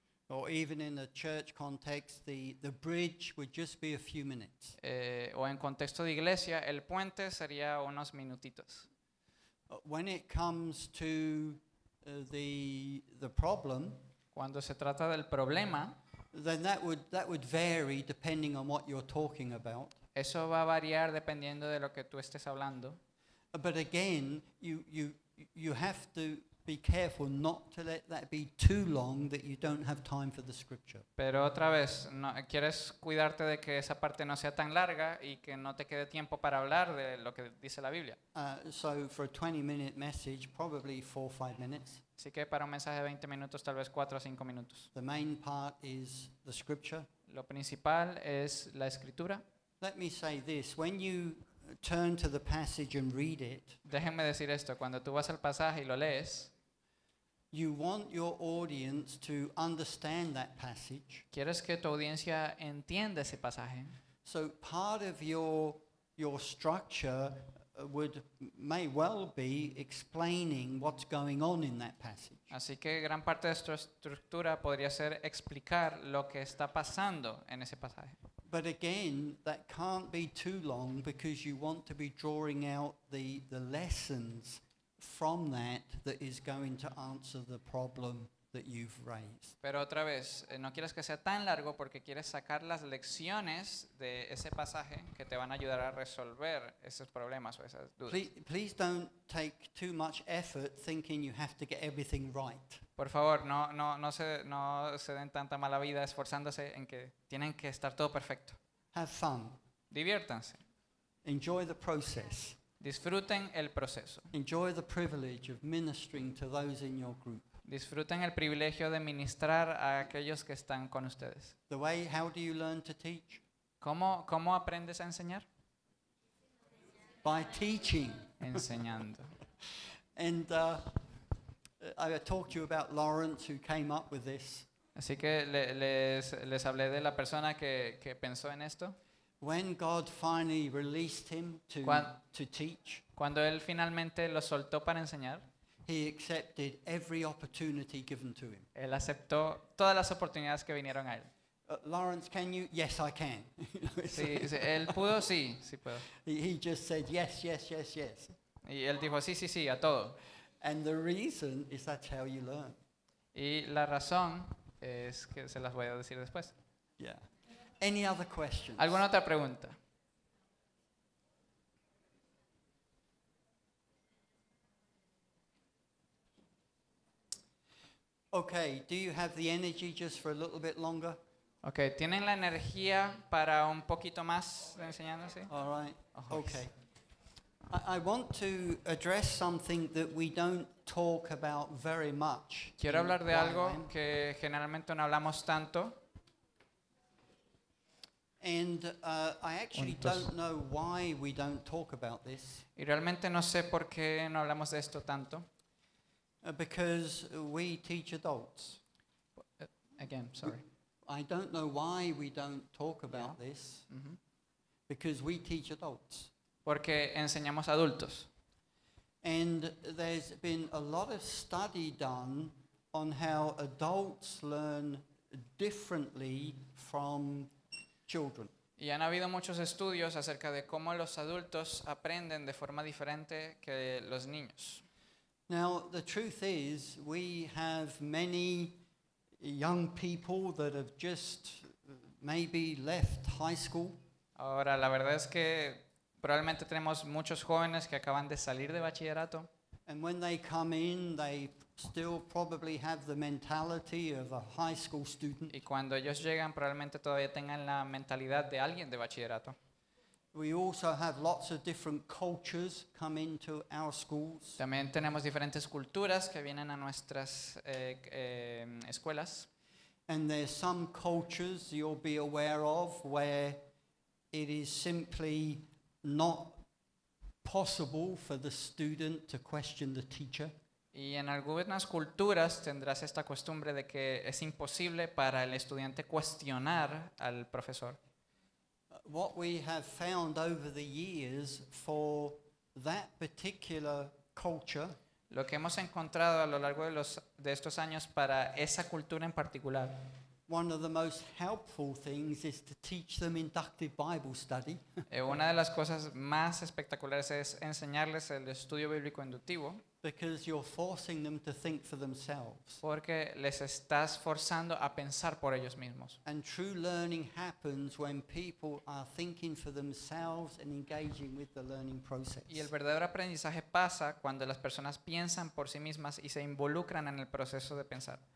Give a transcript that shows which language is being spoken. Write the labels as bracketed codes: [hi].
[en] Or even in a church context, the bridge would just be a few minutes. [es] O en contexto de iglesia, el puente sería unos minutitos. [en] When it comes to the problem, [es] cuando se trata del problema, [en] then that would vary depending on what you're talking about. [es] Eso va a variar dependiendo de lo que tú estés hablando. [en] But again, you have to be careful not to let that be too long that you don't have time for the scripture. [es] Pero otra vez, no, quieres cuidarte de que esa parte no sea tan larga y que no te quede tiempo para hablar de lo que dice la Biblia. [en] So for a 20-minute message, probably 4 or 5 minutes. [es] Así que para un mensaje de 20 minutos, tal vez 4 o 5 minutos. [en] The main part is the scripture. [es] Lo principal es la escritura. [en] Let me say this, when you turn to the passage and read it. [es] Déjenme decir esto, cuando tú vas al pasaje y lo lees, [en] you want your audience to understand that passage. [es] Quieres que tu audiencia entienda ese pasaje. [en] So part of your structure would may well be explaining what's going on in that passage. [es] Así que gran parte de tu estructura podría ser explicar lo que está pasando en ese pasaje. [en] But again, that can't be too long because you want to be drawing out the lessons from that is going to answer the problem that you've raised. [es] Pero otra vez, no quieres que sea tan largo porque quieres sacar las lecciones de ese pasaje que te van a ayudar a resolver esos problemas o esas dudas. [en] Please don't take too much effort thinking you have to get everything right. [es] Por favor, no se den tanta mala vida esforzándose en que tienen que estar todo perfecto. [en] Have fun. [es] Diviértanse. [en] Enjoy the process. [es] Disfruten el proceso. [en] Enjoy the privilege of ministering to those in your group. [es] Disfruten el privilegio de ministrar a aquellos que están con ustedes. [en] The way, how do you learn to teach? [es] ¿Cómo aprendes a enseñar? [en] By teaching. [es] Enseñando. [en] And I talked to you about Lawrence who came up with this. [es] Así que les hablé de la persona que pensó en esto. [en] When God finally released him to teach. [es] Cuando él finalmente lo soltó para enseñar. [en] He accepted every opportunity given to him. [es] Él aceptó todas las oportunidades que vinieron a él. [en] Lawrence, can you? Yes, I can. [es] Sí, sí, él pudo, sí puedo. [en] He just said yes. [es] Y él dijo sí a todo. [en] And the reason is that's how you learn. [es] Y la razón es que se las voy a decir después. [en] Yeah. Any other questions? [es] ¿Alguna otra pregunta? [en] Okay, do you have the energy just for a little bit longer? [es] Okay, ¿tienen la energía para un poquito más de enseñanza? [en] All right, okay. I want to address something that we don't talk about very much. [es] Quiero hablar de algo que generalmente no hablamos tanto. [en] And I actually don't know why we don't talk about this. [es] Y realmente no sé por qué no hablamos de esto tanto. [en] Because we teach adults. Again, sorry. I don't know why we don't talk about this. Mm-hmm. Because we teach adults. [es] Porque enseñamos adultos. [en] And there's been a lot of study done on how adults learn differently from children. [es] Y han habido muchos estudios acerca de cómo los adultos aprenden de forma diferente que los niños. [en] Now, the truth is, we have many young people that have just maybe left high school. [es] Ahora, la verdad es que probablemente tenemos muchos jóvenes que acaban de salir de bachillerato. [en] And when they come in, they still probably have the mentality of a high school student. [es] Y cuando ellos llegan, probablemente todavía tengan la mentalidad de alguien de bachillerato. [en] We also have lots of different cultures come into our schools. [es] También tenemos diferentes culturas que vienen a nuestras escuelas. [en] And there's some cultures you'll be aware of where it is simply not possible for the student to question the teacher. [es] Y en algunas culturas tendrás esta costumbre de que es imposible para el estudiante cuestionar al profesor. [en] What we have found over the years for that particular culture, [es] lo que hemos encontrado a lo largo de los de estos años para esa cultura en particular. [en] One of the most helpful things is to teach them inductive Bible study. [es] Una de las cosas más espectaculares es enseñarles el estudio bíblico inductivo. [en] Because you're forcing them to think for themselves. [es] Porque les estás forzando a pensar por ellos mismos. [en] And true learning happens when people are thinking for themselves and engaging with the learning process. [es] Y el verdadero aprendizaje pasa cuando las personas piensan por sí mismas y se involucran en el proceso de pensar.